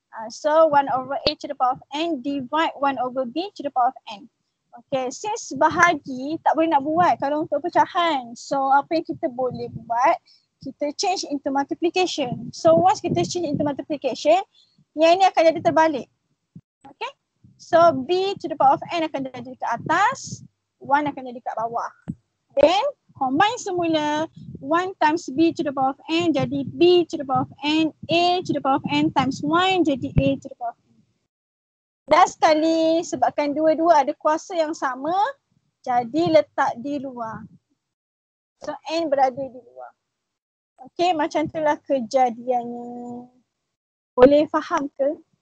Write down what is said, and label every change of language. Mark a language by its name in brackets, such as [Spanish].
[English] So 1 over A to the power of N divide 1 over B to the power of N. [Malay] Okay, since bahagi tak boleh nak buat kalau untuk pecahan. So apa yang kita boleh buat, kita [English] change into multiplication. [Malay] So once kita [English] change into multiplication, [Malay] yang ini akan jadi terbalik. Okay, so [English] B to the power of N [Malay] akan jadi ke atas, 1 akan jadi ke bawah. [English] Then combine semula, 1 times B to the power of N jadi B to the power of N, A to the power of N times 1 jadi A to the power of N. [Malay] Dan sekali sebabkan dua-dua ada kuasa yang sama, jadi letak di luar. So N berada di luar. Okay, macam itulah kejadiannya. Boleh faham ke?